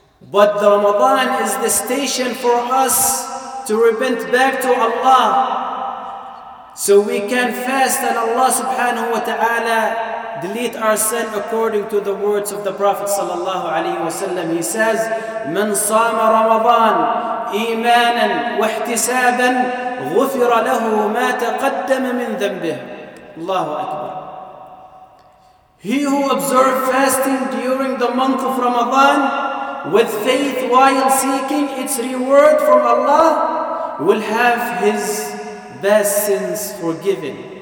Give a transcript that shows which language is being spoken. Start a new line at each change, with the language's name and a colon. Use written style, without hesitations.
English: But the Ramadan is the station for us to repent back to Allah. So we can fast and Allah subhanahu wa ta'ala delete our sin according to the words of the Prophet sallallahu alayhi wa sallam. He says,
Arabic: من صام رمضان إيمانا واحتسابا غفر له ما تقدم من ذنبه. الله أكبر.
English: He who observed fasting during the month of Ramadan with faith while seeking its reward from Allah will have his best sins forgiven.